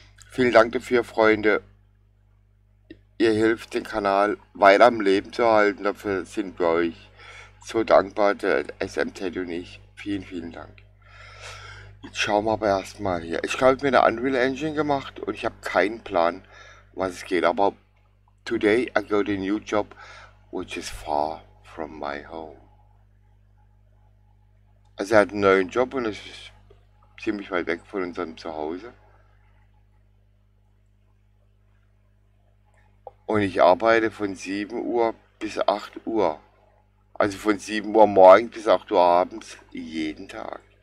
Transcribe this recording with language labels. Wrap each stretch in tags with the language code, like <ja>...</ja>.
<de>Vielen Dank dafür, Freunde. Ihr hilft den Kanal weiter am Leben zu halten. Dafür sind wir euch so dankbar, der SMZ und ich. Vielen, vielen Dank. Jetzt schauen wir aber erstmal hier. Ich glaube, ich habe mir eine Unreal Engine gemacht und ich habe keinen Plan, was es geht. Aber</de> <en>today I got a new job, which is far from my home.</en> <de>Also er hat einen neuen Job und es ist ziemlich weit weg von unserem Zuhause. Und ich arbeite von 7 Uhr bis 8 Uhr. Also von 7 Uhr morgens bis 8 Uhr abends, jeden Tag.</de>